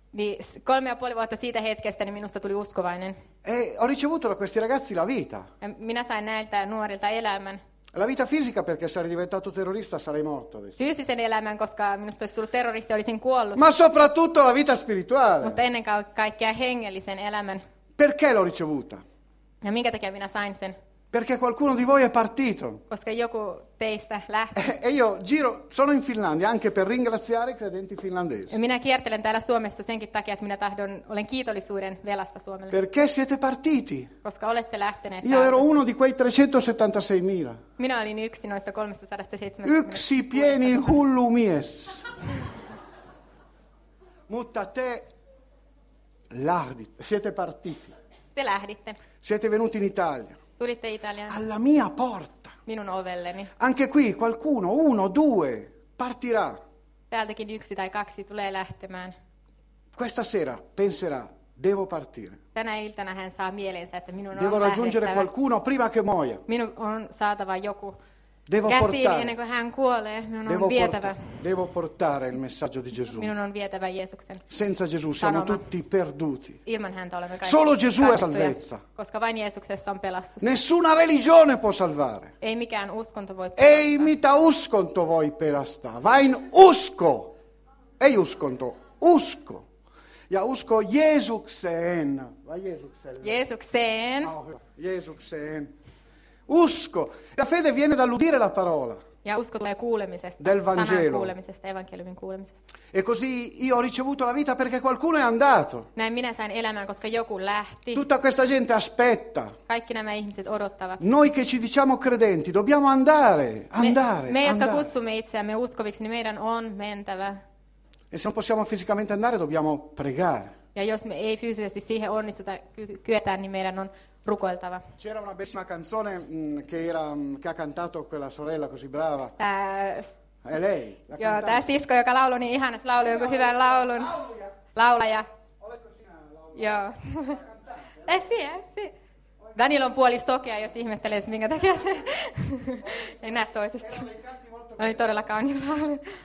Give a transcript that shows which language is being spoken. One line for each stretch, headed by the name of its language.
Finnish: Niin 3,5 vuotta siitä hetkestä niin minusta tuli uskovainen.
Italian: E ho ricevuto da questi ragazzi la vita.
Finnish: Minä sain näiltä nuorilta elämän.
Italian: La vita fisica perché sarei diventato terrorista sarei morto.
Finnish: Fyysisen elämän, koska minusta olisi tullut terroristi, olisin kuollut.
Italian: Ma soprattutto la vita spirituale.
Finnish: Mutta ennen kaikkea hengellisen elämän.
Italian: Perché l'ho ricevuta?
Finnish: Ja minkä takia minä sain sen?
Italian: Perché qualcuno di voi è partito.
Finnish: Koska joku teistä lähti.
Italian: E io giro, sono in Finlandia anche per ringraziare i credenti finlandesi.
Finnish: Ja minä kiertelen täällä Suomessa senkin takia, että minä tahdon, olen kiitollisuuden velassa Suomelle.
Italian: Perché siete partiti.
Finnish: Koska olette lähteneet.
Italian: Io ero uno di quei 376.000.
Finnish: Minä olin yksi noista 370. Yksi pieni hullu mies. Mutta te lähdit,
Italian: siete partiti.
Finnish: Te lähditte.
Italian: Siete venuti in Italia.
Finnish: Tulitte Italiaan.
Italian: Alla mia porta.
Finnish: Minun ovelleni.
Italian: Anche qui qualcuno, uno, due, partirà.
Finnish: Täältäkin yksi tai kaksi tulee lähtemään.
Italian: Questa sera penserà, devo partire.
Finnish: Tänä iltana hän saa mielensä, että minun on lähdettävä.
Italian: Devo raggiungere qualcuno prima che muoia.
Finnish: Minun on saatava joku
Italian: devo
Finnish: käsiin
Italian: portare.
Finnish: Ennen kuin hän kuolee. Minun devo on vietävä.
Italian: Devo portare il messaggio di Gesù.
Finnish: Minun on vietävä Jeesuksen.
Italian: Senza Gesù
Finnish: sanoma.
Italian: Siamo tutti perduti.
Finnish: Ilman häntä olemme kaikki.
Italian: Solo Gesù è salvezza.
Finnish: Koska vain Jeesuksessa on pelastus.
Italian: Nessuna religione può salvare.
Finnish: Ei mikään uskonto voi pelastaa. Ei mitä uskonto voi pelastaa. Vain usko. Ei uskonto. Usko. Ja usko Jeesukseen. Jeesukseen. Jeesukseen. Usko.
Italian: La fede viene dall'udire la parola.
Finnish: Ja usko tulee kuulemisesta.
Italian: Del Vangelo.
Finnish: Sanan kuulemisesta, evankeliumin kuulemisesta.
Italian: E così io ho ricevuto la vita perché qualcuno è andato.
Finnish: Näin minä sain elämän, koska joku lähti.
Italian: Tutta questa gente aspetta.
Finnish: Kaikki nämä ihmiset odottavat.
Italian: Noi che ci diciamo credenti, dobbiamo andare, andare.
Finnish: Me jotka
Italian: andare.
Finnish: Kutsumme itseämme uskoviksi, niin meidän on mentävä.
Italian: E se non possiamo fisicamente andare, dobbiamo pregare.
Finnish: Ja jos me ei fyysisesti siihen onnistuta kyetään, niin meidän on rukoiltava.
Italian: C'era una bellissima canzone che ha cantato quella sorella così brava. È lei.
Finnish: Joo, tämä sisko, joka lauloi niin ihana, se lauloi joku hyvän laulun. Laulaja. Oletko sinä laulaja? Joo. Si. Daniel on puoli sokea, jos ihmettelee, että minkä takia se ei näe toisesta. Oli todella kaunis laulu.